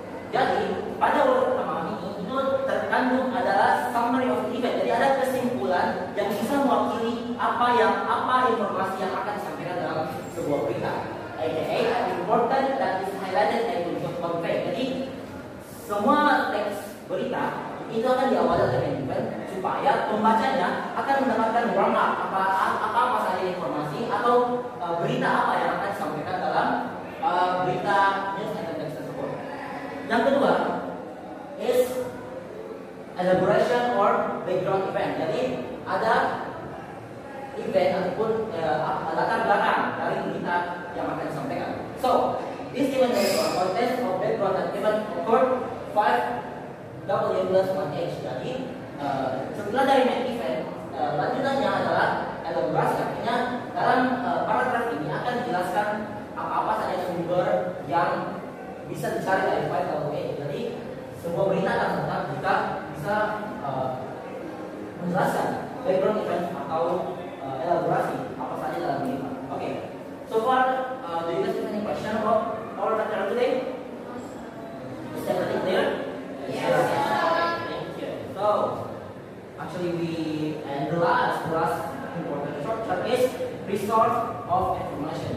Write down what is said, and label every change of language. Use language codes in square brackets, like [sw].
[id] Jadi pada urut pertama ini itu terkandung adalah summary of event. Jadi ada kesimpulan yang bisa mewakili apa informasi yang akan disampaikan dalam sebuah berita. [en] Aka important that is highlighted and will be conveyed. [id] Jadi semua teks berita itu akan diawali dengan event supaya pembacanya akan mendapatkan warm up apa saja informasi atau berita apa yang akan disampaikan dalam berita news and teks tersebut. Yang kedua [en] is elaboration or background event. [id] Jadi ada event ataupun latar belakang dari berita yang akan disampaikan. [en] So, this event is a context of background that even occurred 5W+1H. [id] Jadi, setelah dari main event, lanjutannya adalah elaborasi. Artinya, dalam paragraf ini akan dijelaskan apa-apa saja sumber yang bisa dicari dari 5W. Jadi, semua berita akan tentang kita bisa menjelaskan background event atau elaborasi apa saja dalam berita. Oke. [en] So far, do you guys have any question about our material today? Is everything clear? Yes. Okay, thank you. So, actually the last important structure is resource of information.